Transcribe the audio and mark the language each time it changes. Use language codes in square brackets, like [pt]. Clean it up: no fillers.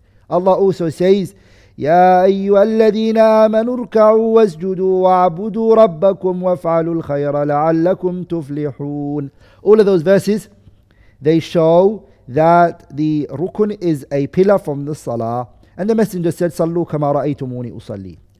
[en] Allah also says, [ar] يا أيها الذين آمنوا اركعوا واسجدوا وعبدوا ربكم وفعلوا الخير لعلكم تفلحون. [en] All of those verses, they show that the rukun is a pillar from the salah. And the Messenger said, [ar] صلوا كما رأيتموني أصلي.